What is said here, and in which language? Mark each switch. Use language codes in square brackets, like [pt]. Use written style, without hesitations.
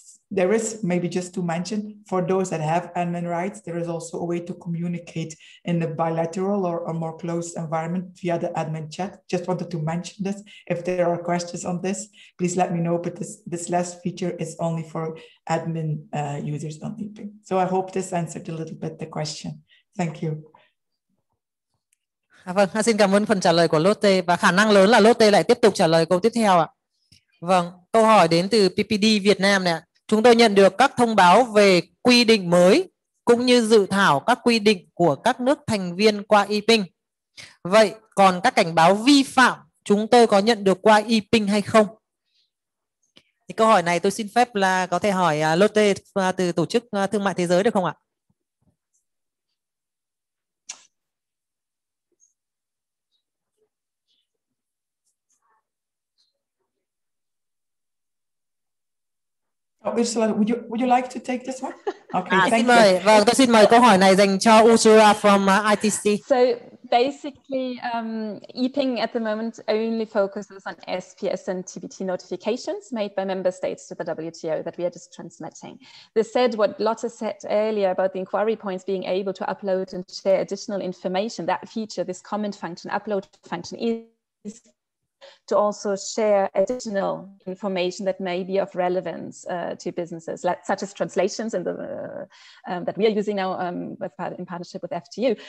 [en] There is, maybe just to mention, for those that have admin rights, there is also a way to communicate in a bilateral or a more closed environment via the admin chat. Just wanted to mention this. If there are questions on this, please let me know. But this last feature is only for admin users on e-ping. So I hope this answered a little bit the question. Thank you. [vi] Vâng, xin cảm ơn phần trả lời của Lotte, và khả năng lớn là Lotte lại tiếp tục trả lời câu tiếp theo ạ. Vâng, câu hỏi đến từ PPD Việt Nam này ạ. Chúng tôi nhận được các thông báo về quy định mới cũng như dự thảo các quy định của các nước thành viên qua e-ping. Vậy còn các cảnh báo vi phạm chúng tôi có nhận được qua e-ping hay không? Thì câu hỏi này tôi xin phép là có thể hỏi Lotte từ Tổ chức Thương mại Thế giới được không ạ? [en] Yes, Ursula, would you like to take this one? Okay, thank you. [vi] Vâng, tôi xin mời câu hỏi này dành cho Ursula [en] from ITC. So basically, EPING at the moment only focuses on SPS and TBT notifications made by member states to the WTO that we are just transmitting. This said, what Lotta said earlier about the inquiry points being able to upload and share additional information, that feature, this comment function, upload function is to also share additional information that may be of relevance to businesses, such as translations in the, that we are using now in partnership with FTU.